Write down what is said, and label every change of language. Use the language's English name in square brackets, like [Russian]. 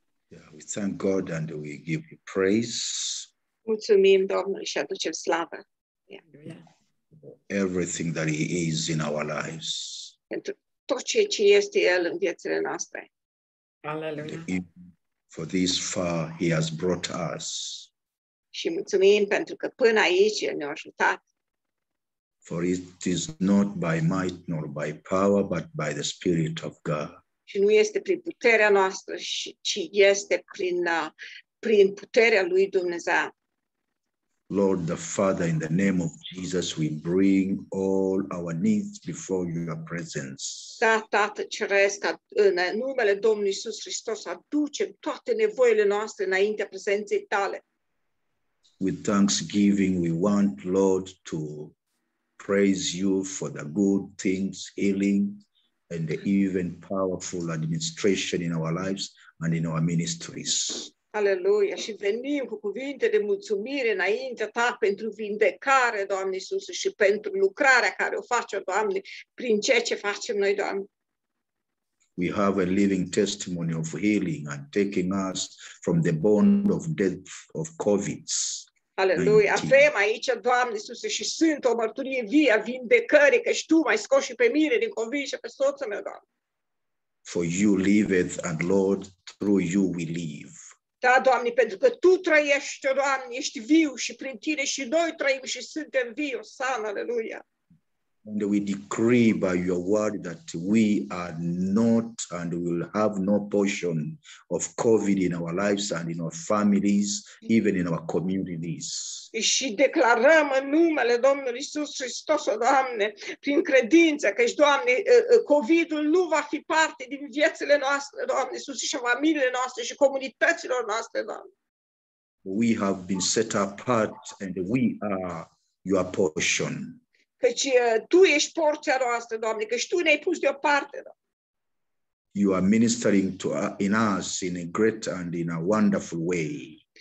[English] Yeah, we thank God and we give you praise. [Romanian] Mulțumim Domnului și aducem slavă. [English] Everything that He is in our lives. [Romanian] Pentru tot ceea ce este El în viețile noastre. [English] Hallelujah. For this far He has brought us. [Romanian] Și mulțumim pentru că până aici El ne-a ajutat. [English] For it is not by might nor by power, but by the Spirit of God. [Romanian] Și nu este prin puterea noastră, ci este prin puterea lui Dumnezeu. [English] Lord the Father, in the name of Jesus, we bring all our needs before your presence. [Romanian] Da, Tată Ceresc, în numele Domnului Iisus Hristos, aducem toate nevoile noastre înaintea prezenței tale. [English] With thanksgiving, we want, Lord, to praise you for the good things, healing, and the even powerful administration in our lives and in our ministries. Hallelujah. [Romanian] Și venim cu cuvinte de mulțumire înaintea ta pentru vindecare, Doamne Iisus, și pentru lucrarea care o face, Doamne, prin ceea ce facem noi, Doamne. [English] We have a living testimony of healing and taking us from the bond of death of COVID. Hallelujah. [Romanian] Avem aici, Doamne Iisuse, și sunt o mărturie vie a vindecării, căci Tu m-ai scos și pe mine din COVID și pe soțul meu, Doamne. [English] For you liveth, and Lord, through you we live. [Romanian] Da, Doamne, pentru că Tu trăiești, Doamne, ești viu și prin Tine și noi trăim și suntem vii, osana, aleluia. [English] And we decree by Your word that we are not and will have no portion of COVID in our lives and in our families, even in our communities. [Romanian] Și declarăm în numele Domnului Iisus Hristos, Doamne, prin credință, căci, Doamne, COVID-ul nu va fi parte din viețile noastre, Doamne Iisus, și familiile noastre și comunităților noastre, Doamne. [English] We have been set apart and we are Your portion. [Romanian] Căci Tu ești porția noastră, Doamne, căci Tu ne-ai pus deoparte, Doamne. [English] You are ministering to in us in a great and in a wonderful way.